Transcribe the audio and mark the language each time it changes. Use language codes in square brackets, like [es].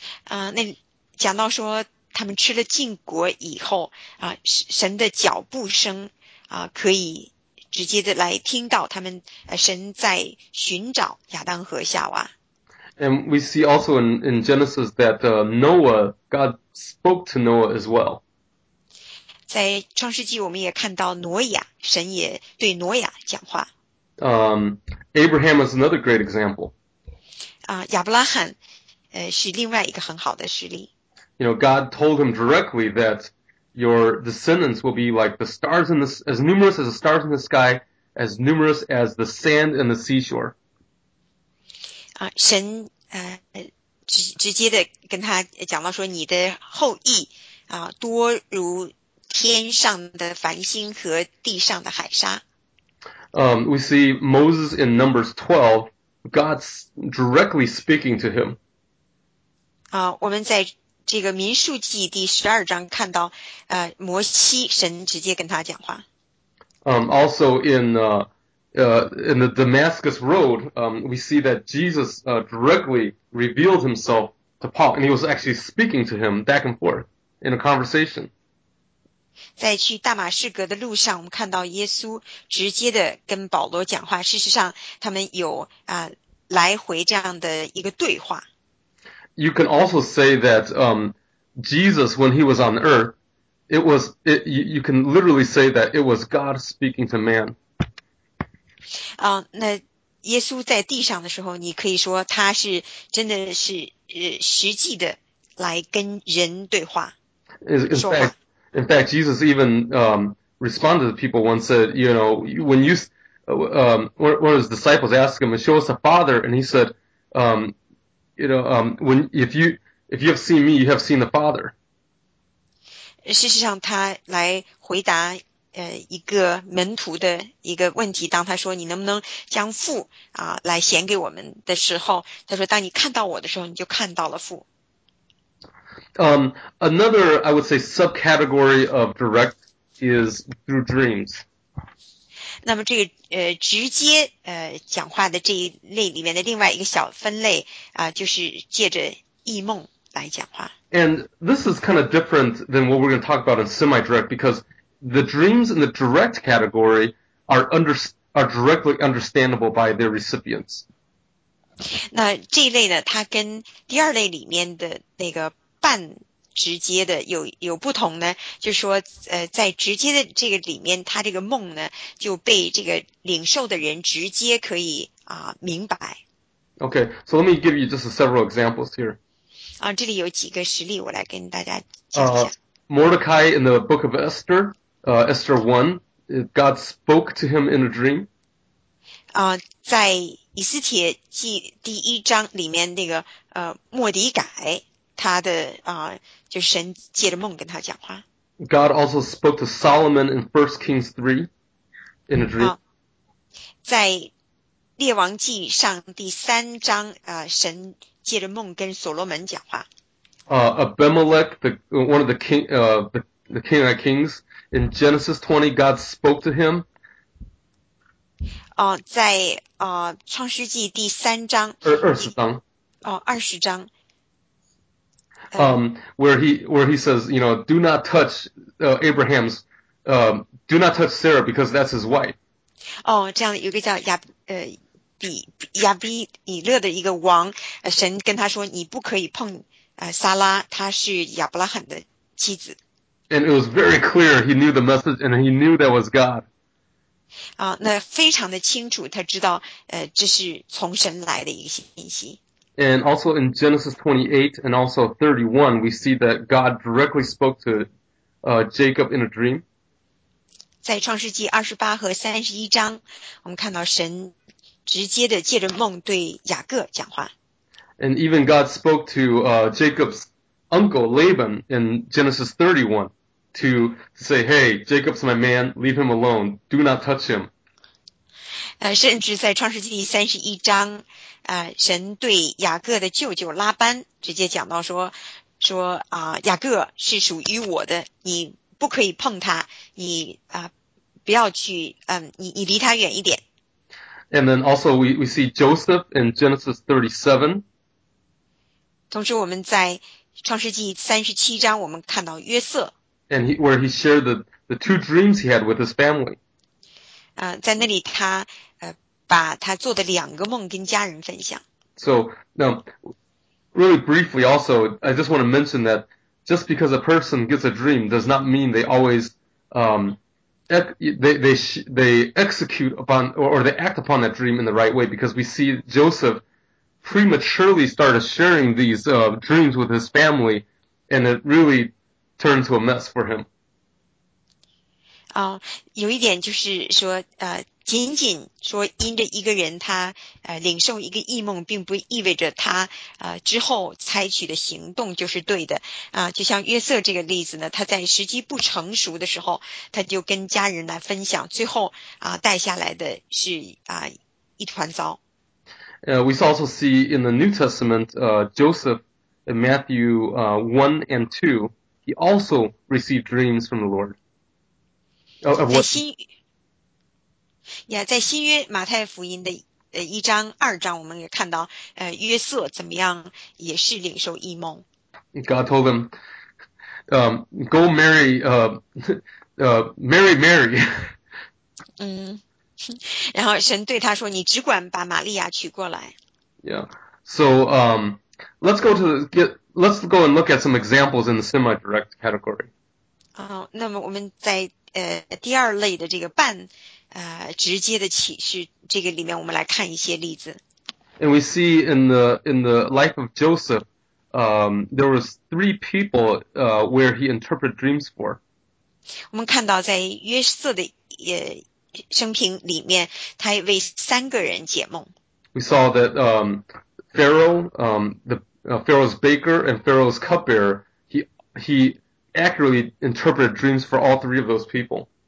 [zh] 那讲到说他们吃了禁果以后神的脚步声可以直接的来听到他们神在寻找亚当和夏娃。 [en] And we see also in Genesis that Noah, God spoke to Noah as well. [zh] 在创世纪我们也看到挪亚神也对挪亚讲话。 [en] Abraham is another great example. [zh] 亚伯拉罕是另外一个很好的实例。 [en] You know, God told him directly that your descendants will be like the stars in the, as numerous as the stars in the sky, as numerous as the sand in the seashore. [zh] 神直接的跟他讲到说你的后裔多如天上的繁星和地上的海沙。 [en] We see Moses in Numbers 12, God's directly speaking to him. [zh] 我们在这个民数记第十二章看到，摩西神直接跟他讲话。 [en] Also in the Damascus Road, we see that Jesus directly revealed himself to Paul, and he was actually speaking to him back and forth in a conversation. [zh] 在去大马士革的路上，我们看到耶稣直接的跟保罗讲话。事实上，他们有来回这样的一个对话。 [en] You can also say that Jesus, when he was on earth, you can literally say that it was God speaking to man. [zh] 那耶稣在地上的时候，你可以说他是真的是实际的来跟人对话。 [en] In fact, Jesus even responded to people once, said, you know, when you, one of his disciples asked him, show us the Father, and he said, if you have seen me, you have seen the Father. [zh] 事实上，他来回答一个门徒的一个问题。当他说你能不能将父来显给我们的时候，他说当你看到我的时候，你就看到了父。 [en] Another, I would say, subcategory of direct is through dreams. [zh] 那么这个直接讲话的这一类里面的另外一个小分类就是借着异梦来讲话。 [en] And this is kind of different than what we're going to talk about in semi-direct, because the dreams in the direct category are directly understandable by their recipients. [zh] 那这一类呢，它跟第二类里面的那个半直接的有不同呢，就是说在直接的这个里面，他这个梦呢就被这个领受的人直接可以明白。 [en] Okay, so let me give you just several examples here. [zh] 这里有几个实例我来跟大家讲一下。 [en] Mordecai in the book of Esther, Esther 1, God spoke to him in a dream. [zh] 在以斯帖记第一章里面那个莫迪改他的就是神借着梦跟他讲话。 [en] God also spoke to Solomon in 1 Kings 3 in a dream. [zh] 在列王记上第三章神借着梦跟所罗门讲话。 [en] Abimelech, the king of kings, in Genesis 20, God spoke to him. [zh] 在创世纪第三章。二十章。 [en] Where he says, you know, do not touch Abraham's, do not touch Sarah because that's his wife. [zh] 这样有个叫亚比以勒的一个王，神跟他说你不可以碰撒拉，她是亚伯拉罕的妻子。 [en] And it was very clear he knew the message and he knew that was God. [zh] 那非常的清楚，他知道这是从神来的一个信息。 [en] And also in Genesis 28 and also 31, we see that God directly spoke to Jacob in a dream. [zh] 在创世纪28和31章，我们看到神直接的借着梦对雅各讲话。 [en] And even God spoke to Jacob's uncle Laban in Genesis 31 to say, hey, Jacob's my man, leave him alone, do not touch him. [zh] 甚至在创世纪31章神对雅各的舅舅拉班直接讲到说雅各是属于我的，你不可以碰他，你不要去你离他远一点。 [en] And then also we see Joseph in Genesis 37. [zh] 同时我们在创世纪37章我们看到约瑟。 [en] And where he shared the two dreams he had with his family. [zh] 在那里他把他做的两个梦跟家人分享。 [en] So, now, really briefly also, I just want to mention that just because a person gets a dream does not mean they always, execute upon, or they act upon that dream in the right way, because we see Joseph prematurely started sharing these dreams with his family, and it really turned to a mess for him. [zh] 有一点就是说，仅仅说因着一个人他领受一个异梦，并不意味着他之后采取的行动就是对的啊。就像约瑟这个例子呢，他在时机不成熟的时候，他就跟家人来分享，最后带下来的是一团糟。 [en] We also see in the New Testament, Joseph in Matthew 1 and 2, he also received dreams from the Lord. Of what? [zh] 在新约马太福音的一章、二章，我们也看到，约瑟怎么样，也是领受异梦。 [en] God told him, go marry, marry. [zh] 然后神对他说：“你只管把玛利亚娶过来。 [en] Let's go and look at some examples in the semi-direct category. [zh] ”那么我们在第二类的这个半。直接的启示，这个里面我们来看一些例子。 [en] And we see in the life of Joseph, there was three people where he interpreted dreams for. [zh] 我们看到，在约瑟的生平里面，他为三个人解梦。 [en] We saw that Pharaoh, Pharaoh's baker and Pharaoh's cupbearer, he accurately interpreted dreams for all three of those people.